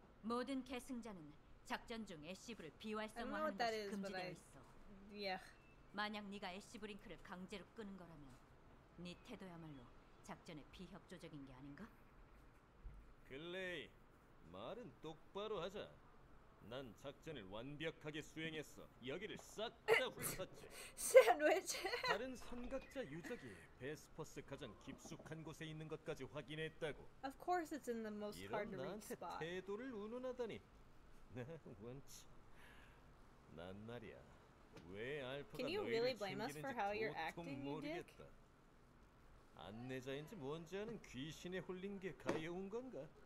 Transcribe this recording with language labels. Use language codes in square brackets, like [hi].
[en] I don't know what that is, but I... Yeah. [ko] 만약 네가 애쉬 브링크를 강제로 끄는 거라면 네 태도야말로 작전에 비협조적인 게 아닌가? 글레이. 말은 똑바로 하자. 난 작전을 완벽하게 수행했어. 여기를 싹 다 훑었지. 샌드위치. 다른 선각자 유적이 베스퍼스 가장 깊숙한 곳에 있는 것까지 확인했다고. [en] Of course it's in the most hard to reach spot. [ko] 이런 나한테 태도를 운운하다니. 나 원치. 난 말이야. 왜 알파가 너희를 숨기는지 도통 모르겠다. 안내자인지 뭔지 아는 귀신에 홀린 게 가여운 건가?